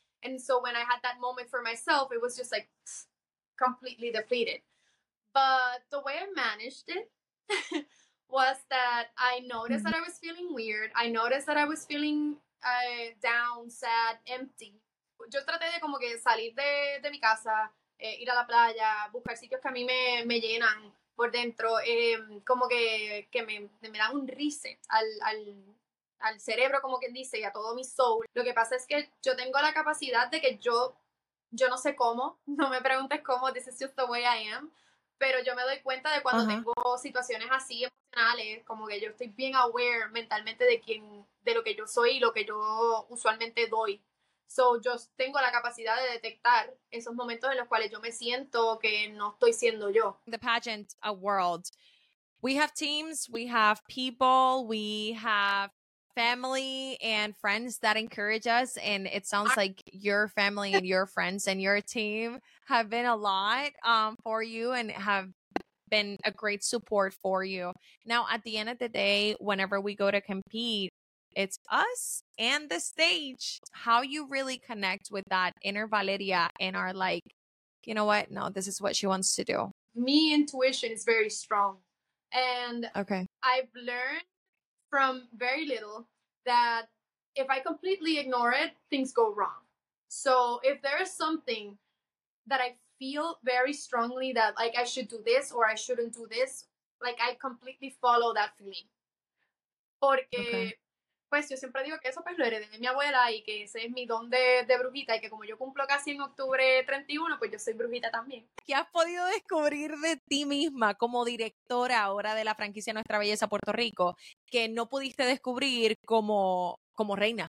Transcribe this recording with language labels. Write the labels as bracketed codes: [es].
[en] And so when I had that moment for myself, it was just like completely depleted. But the way I managed it was that I noticed that I was feeling weird. I noticed that I was feeling down, sad, empty. [es] Yo traté de como que salir de mi casa, ir a la playa, buscar sitios que a mí me llenan por dentro, como que me dan un reset al cerebro, como quien dice, y a todo mi soul. Lo que pasa es que yo tengo la capacidad de que yo yo no sé cómo, no me preguntes cómo, [en] this is just the way I am, [es] pero yo me doy cuenta de cuando tengo situaciones así emocionales, como que yo estoy bien aware mentalmente de quién, de lo que yo soy y lo que yo usualmente doy. So, yo tengo la capacidad de detectar esos momentos en los cuales yo me siento que no estoy siendo yo. [en] The pageant, a world. We have teams, we have people, we have family and friends that encourage us, and it sounds like your family and your friends and your team have been a lot for you and have been a great support for you. Now, at the end of the day, whenever we go to compete, it's us and the stage. How you really connect with that inner Valeria and are like, you know what? No, this is what she wants to do. Me intuition is very strong. And I've learned from very little that if I completely ignore it, things go wrong. So if there is something that I feel very strongly that like I should do this or I shouldn't do this, like I completely follow that feeling. [es] Porque, pues yo siempre digo que eso pues lo heredé de mi abuela y que ese es mi don de brujita y que como yo cumplo casi en octubre 31, pues yo soy brujita también. ¿Qué has podido descubrir de ti misma como directora ahora de la franquicia Nuestra Belleza Puerto Rico que no pudiste descubrir como reina?